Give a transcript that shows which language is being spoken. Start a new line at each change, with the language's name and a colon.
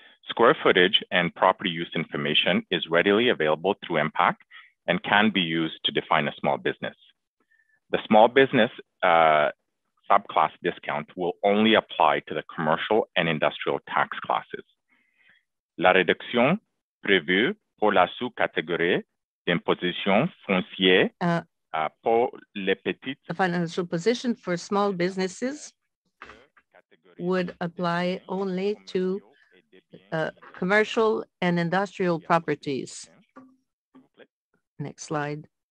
English: Square footage and property use information is readily available through MPAC and can be used to define a small business. The small business subclass discount will only apply to the commercial and industrial tax classes.
French: La réduction prévue pour la sous-catégorie d'imposition foncière pour les petites.
English: The financial position for small businesses would apply only to commercial and industrial properties. Next slide.